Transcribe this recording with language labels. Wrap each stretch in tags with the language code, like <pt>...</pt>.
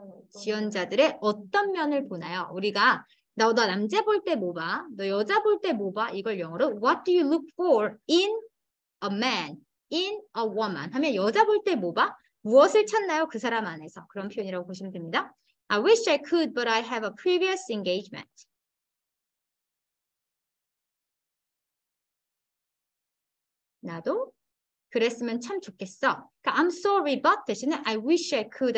<ko>지원자들의 어떤 면을 보나요? 우리가 너 남자 볼때뭐 봐? 너 여자 볼때뭐 봐? 이걸 영어로</ko> <en>What do you look for in a man, in a woman?</en> <ko>하면 여자 볼때뭐 봐? 무엇을 찾나요? 그 사람 안에서 그런 표현이라고 보시면 됩니다.</ko> <en>I wish I could, but I have a previous engagement.</en> <ko>나도 그랬으면 참 좋겠어.</ko> <en>I'm sorry, but 대신에 I wish I could.</en>